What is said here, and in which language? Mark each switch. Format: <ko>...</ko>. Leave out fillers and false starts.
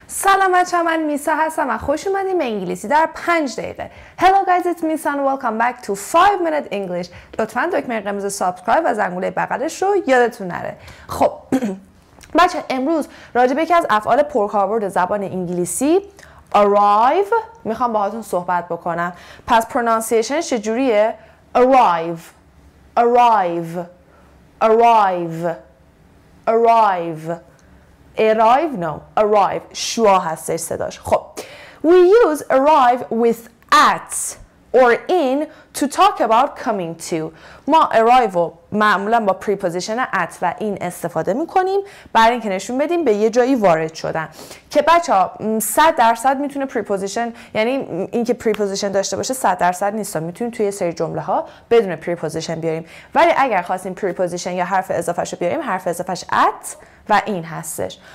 <fa>سلام بچه‌ها، من میسا هستم و خوش اومدیم به انگلیسی در 5 دقیقه.</fa> <en>Hello guys, it's Misa and welcome back to 5 minute English.</en> <fa>لطفاً دکمه قرمز سابسکرایب و زنگوله بغلش رو یادتون نره. خب بچه‌ها، امروز راجع به یکی از افعال پرکاربرد زبان انگلیسی arrive میخوام باهاتون صحبت بکنم. پس پرونانسیشن چجوریه؟ arrive شوه هستش صداش.</fa> <en>خب we use arrive with at or in to talk about coming to.</en> <fa>ما arrive رو معمولا با preposition at و in استفاده میکنیم برای اینکه نشون بدیم به یه جایی وارد شدن. که بچه ها 100% میتونه preposition، یعنی اینکه preposition داشته باشه 100% نیست، میتونیم توی سری جمله ها بدون preposition بیاریم، ولی اگر خواستیم preposition یا حرف اضافه شو بیاریم، حرف اضافه at و این هستش.</fa>